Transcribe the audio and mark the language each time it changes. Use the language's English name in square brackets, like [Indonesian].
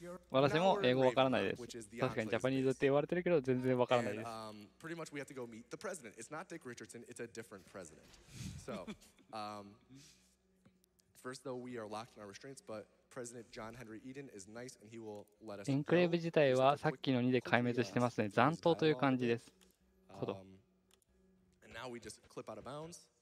[Japanese] 私も英語わからないです。確かにジャパニーズって言われてるけど全然わからないです。 [English] Pretty much we have to go meet the president. It's not Dick Richardson, it's a different president. So, first though we are locked in our restraints, but President John Henry Eden is nice and he will let us go. [Japanese] エンクレーブ自体はさっきの2で壊滅してますね。残党という感じです。 [English] And now we just clip out of bounds.